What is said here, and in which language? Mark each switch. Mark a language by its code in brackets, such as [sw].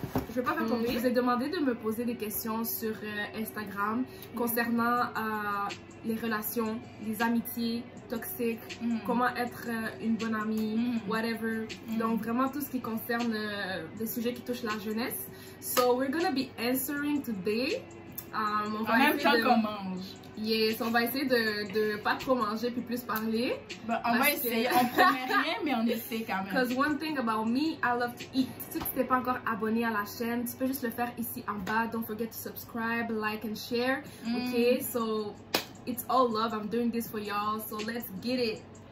[fr] Je vais pas faire tomber. Je vous ai demandé de me poser des questions sur Instagram concernant les relations, les amitiés toxiques, comment être une bonne amie, whatever. Donc vraiment tout ce qui concerne des sujets qui touchent la jeunesse. [en] So we're gonna be answering today. [fr] On va même temps qu'on mange. Yes, on va essayer de pas trop manger puis plus parler. Bon, on va essayer, on promet rien, mais on essaie quand même. [en] Cause one thing about me, I love to eat. [fr] Si tu n'es pas encore abonné à la chaîne, tu peux juste le faire ici en bas. [en] Don't forget to subscribe, like and share. Okay, so it's all love. I'm doing this for y'all, so let's get it.